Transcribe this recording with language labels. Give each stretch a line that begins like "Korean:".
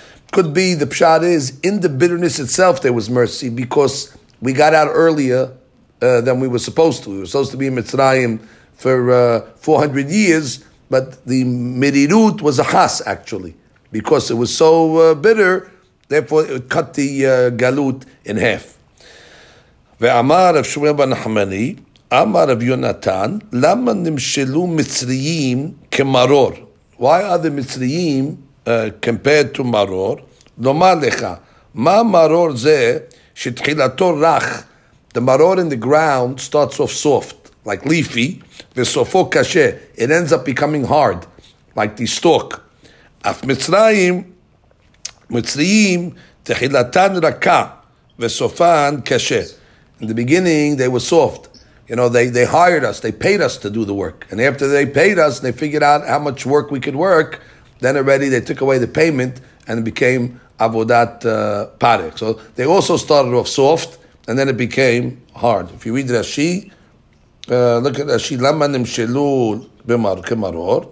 English: Could be, the pshat is, in the bitterness itself, there was mercy because we got out earlier than we were supposed to. We were supposed to be in Mitzrayim for 400 years, but the merirut was a has, actually. Because it was so bitter, therefore it cut the galut in half.
Hebrew: ואמר רב שמואל בן נחמני, אמר רב יונתן, למה נמשלו מצריים כמרור?
English: Why are the מצריים compared to מרור?
Hebrew: לומר לך, מה מרור זה שתחילתו רך?
English: The מרור in the ground starts off soft, like leafy,
Hebrew: וסופו קשה.
English: It ends up becoming hard, like the stalk.
Hebrew: אף מצריים תחילתן רכה וסופן קשה.
English: In the beginning, they were soft. You know, they hired us. They paid us to do the work. And after they paid us, they figured out how much work we could work. Then already they took away the payment and it became avodat parek. So they also started off soft and then it became hard. If you read Rashi, look at Rashi.
Hebrew: Lama nimshelu b'mar kemaror.